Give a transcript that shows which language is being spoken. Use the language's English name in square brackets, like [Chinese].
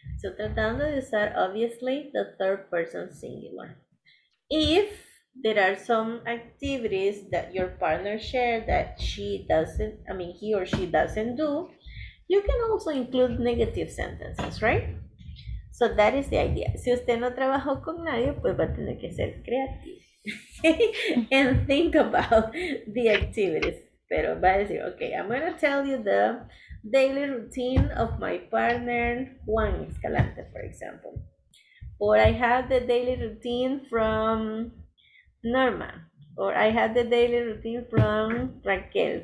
[English] So, [Spanish] tratando de usar, [English] obviously, the third person singular. If there are some activities that your partner shared that he or she doesn't do, you can also include negative sentences, right? So, that is the idea. [Spanish] Si usted no trabajó con nadie, pues va a tener que ser creativo. [English] And think about the activities. [Spanish] Pero va a decir, [English] okay, I'm going to tell you the daily routine of my partner, Juan Escalante, for example. Or I have the daily routine from Norma. Or I have the daily routine from Raquel.